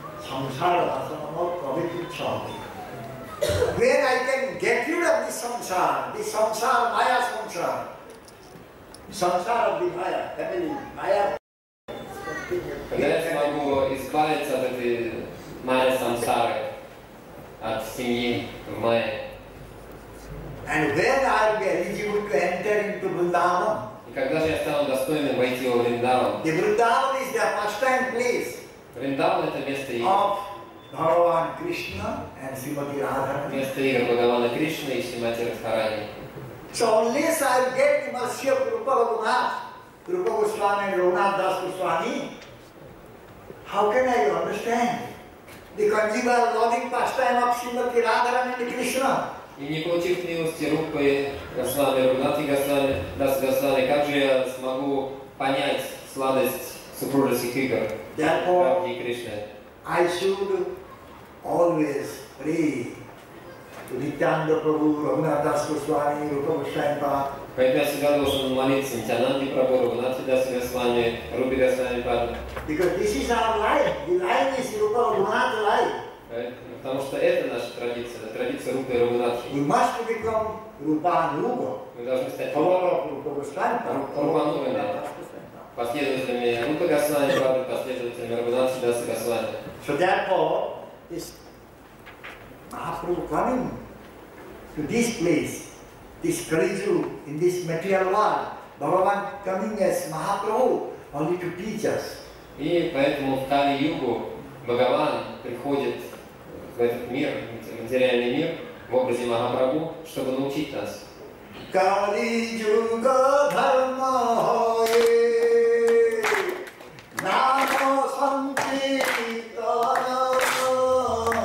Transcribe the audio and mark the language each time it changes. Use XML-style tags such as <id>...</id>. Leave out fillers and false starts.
<en>when I can get rid of the samsara, maya samsara, samsara of the maya, family, maya.</en> <ru>Когда я смогу избавиться от этой майя самсары, от семьи в майе.</ru> <en>And when I'll be eligible to enter into Vrindavan.</en> <ru>И когда же я стану достойным войти во Вриндаван?</ru> <en>The Vrindavan is the pastime place.</en> <ru>Вриндаван это место</ru> <en>и of Bhagavan Krishna and Srimati Radharani.</en> <ru>Место Игра Бхагавана Кришна и Шримати Радхарани.</ru> <en>So unless I get the mercy of Rupa Raghunath, Rupa Goswami and Raghunath Das Goswami, how can I understand the conjugal loving pastime of Srimati Radharani and Krishna?</en> <ru>И не получив милости Рупы Госвами, Раганаты Госвами, Дас Госвами, как же я смогу понять сладость супружеских игр Прабху и Кришны?</ru> <en>I should always pray to Nityananda Prabhu, Raghunath Das Goswami, Rupa Goswami.</en> <ru>Поэтому я всегда должен молиться Нитянанде Прабху, Раганаты Дас Госвами, Рупы Госвами.</ru> <en>Because this is our life. The life is Rupa Raghunath life.</en> <ru>Потому что это наша традиция, это традиция Рупы и Рагунатхи.</ru> <en>Must become Rupan Rupa.</en> <ru>Мы должны стать Рупанугой, да. Последователями Рупы Госвами, правда, последователями Рагунатхи Даса Госвами.</ru> <en>So therefore, this Mahaprabhu coming to this place, this Kaliju, in this material world, Bhagavan coming as Mahaprabhu, only to teach us.</en> <ru>И поэтому в Кали-югу Бхагаван приходит в этот мир, материальный мир, в образе Махапрабху, чтобы научить нас.</ru> <bn>Кали-юга дхарма хое нама санкитана</bn>